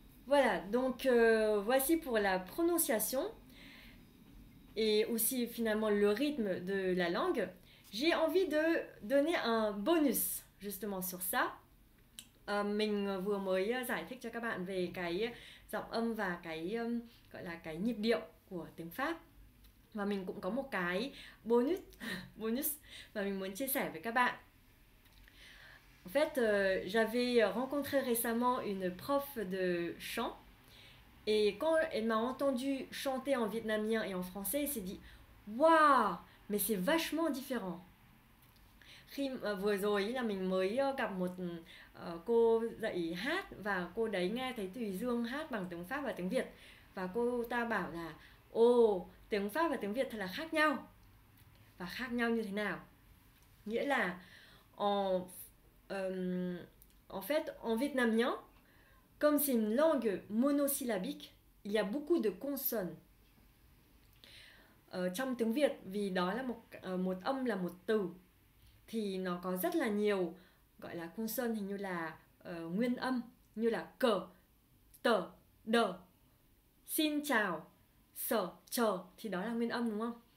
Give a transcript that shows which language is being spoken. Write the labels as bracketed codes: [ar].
[fr] Voilà, donc voici pour la prononciation et aussi finalement le rythme de la langue. J'ai envie de donner un bonus justement sur ça. [vi] Mình vừa mới giải thích cho các bạn về cái giọng âm và cái gọi là cái nhịp điệu của tiếng Pháp. Và mình cũng có một cái bonus bonus mà mình muốn chia sẻ với các bạn. [fr] En fait, j'avais rencontré récemment une prof de chant et quand elle m'a entendu chanter en vietnamien et en français, elle s'est dit waouh, mais c'est vachement différent. [vi] Khi vừa rồi là mình mới gặp một cô dạy hát và cô đấy nghe thấy Thùy Dương hát bằng tiếng Pháp và tiếng Việt và cô ta bảo là ồ, tiếng Pháp và tiếng Việt thật là khác nhau. Và khác nhau như thế nào? Nghĩa là [fr] en fait, en vietnamien, comme c'est une langue monosyllabique, il y a beaucoup de consonnes. [vi] Trong tiếng Việt, vì đó là một âm là một từ, thì nó có rất là nhiều gọi là consonnes, hình như là nguyên âm như là cờ, tờ, đờ, xin chào, sở, chờ, thì đó là nguyên âm đúng không?